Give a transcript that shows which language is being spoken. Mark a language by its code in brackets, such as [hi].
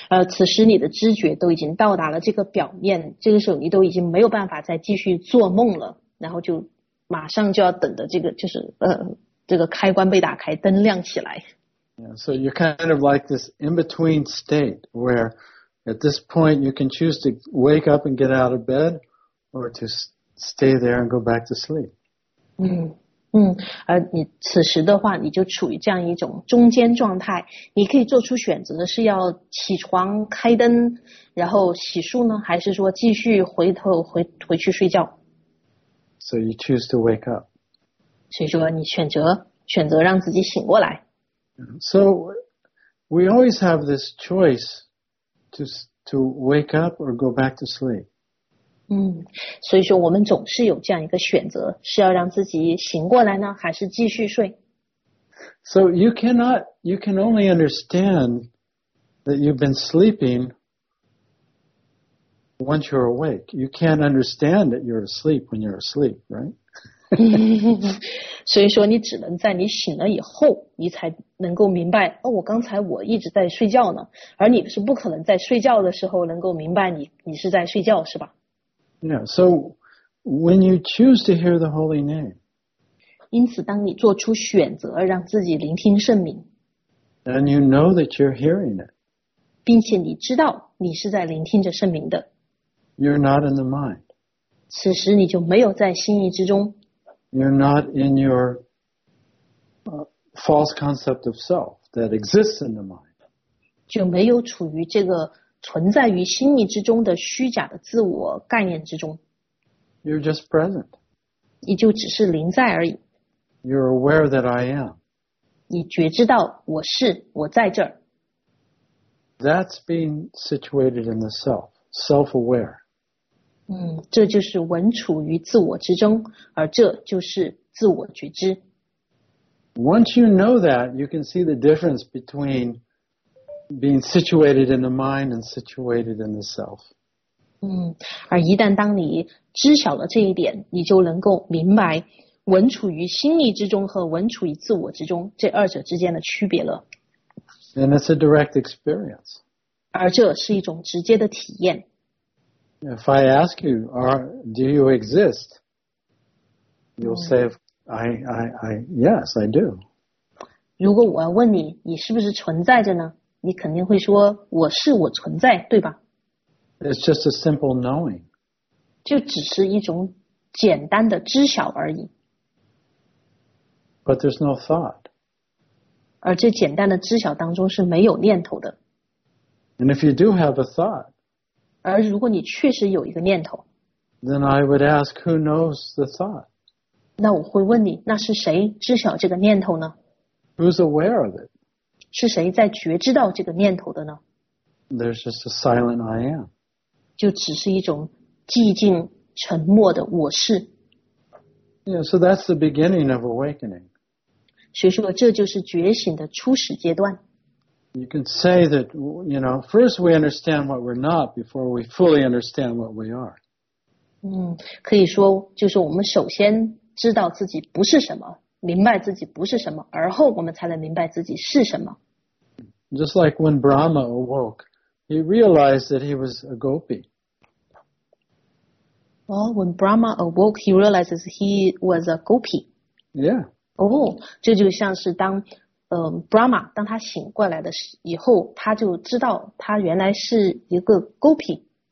[zh] 此时你的知觉都已经到达了这个表面，这个时候你都已经没有办法再继续做梦了，然后就马上就要等着这个，就是这个开关被打开，灯亮起来。 [en] Yeah, so you're kind of like this in-between state where at this point you can choose to wake up and get out of bed or to stay there and go back to sleep. [zh] 而你此时的话你就处于这样一种中间状态，你可以做出选择，是要起床开灯然后洗漱呢，还是说继续回去睡觉。 [en] So you choose to wake up. [zh] 所以说你选择让自己醒过来。 [en] So, we always have this choice to wake up or go back to sleep. [zh] 所以说我们总是有这样一个选择，是要让自己醒过来呢，还是继续睡？ [en] So, you can only understand that you've been sleeping once you're awake. You can't understand that you're asleep when you're asleep, right? [zh] 所以说你只能在你醒了以后你才能够明白，我刚才我一直在睡觉呢，而你是不可能在睡觉的时候能够明白你是在睡觉，是吧？ [en] Yeah, so when you choose to hear the holy name, [zh] 因此当你做出选择让自己聆听圣名， [en] and you know that you're hearing it, [zh] 并且你知道你是在聆听着圣名的， [en] you're not in the mind. [zh] 此时你就没有在心意之中。 [en] You're not in your false concept of self that exists in the mind. [zh] 就没有处于这个存在于心意之中的虚假的自我概念之中。 [en] You're just present. [zh] 你就只是临在而已。 [en] You're aware that I am. [zh] 你觉知到我是，我在这儿。 [en] That's being situated in the self, self-aware. [zh] 这就是稳处于自我之中，而这就是自我觉知。 [en] Once you know that, you can see the difference between being situated in the mind and situated in the self. [zh] 而一旦当你知晓了这一点，你就能够明白稳处于心意之中和稳处于自我之中这二者之间的区别了。 [en] And it's a direct experience. [zh] 而这是一种直接的体验。 [en] If I ask you, do you exist? You'll say, yes, I do. [zh] 如果我要问你，你是不是存在着呢？你肯定会说，我是，我存在，对吧？ [en] It's just a simple knowing. [zh] 就只是一种简单的知晓而已。 [en] But there's no thought. [zh] 而这简单的知晓当中是没有念头的。 [en] And if you do have a thought, [zh] 而如果你确实有一个念头， [en] Then I would ask, who knows the thought? [zh] 那我会问你，那是谁知晓这个念头呢？ [en] Who's aware of it? [zh] 是谁在觉知到这个念头的呢？ [en] There's just a silent I am. [zh] 就只是一种寂静沉默的我是。 [en] Yeah, so that's the beginning of awakening. [zh] 所以说这就是觉醒的初始阶段。 [en] You can say that, you know, first we understand what we're not before we fully understand what we are. [zh] 可以说就是我们首先知道自己不是什么，明白自己不是什么，而后我们才能明白自己是什么。 [en] Just like when Brahma awoke, he realized that he was a gopi. Well, when Brahma awoke, he realizes he was a gopi. Yeah. [zh] Oh, 这就像是当Brahma 当他醒过来的以后，他就知道他原来是一个 gopi。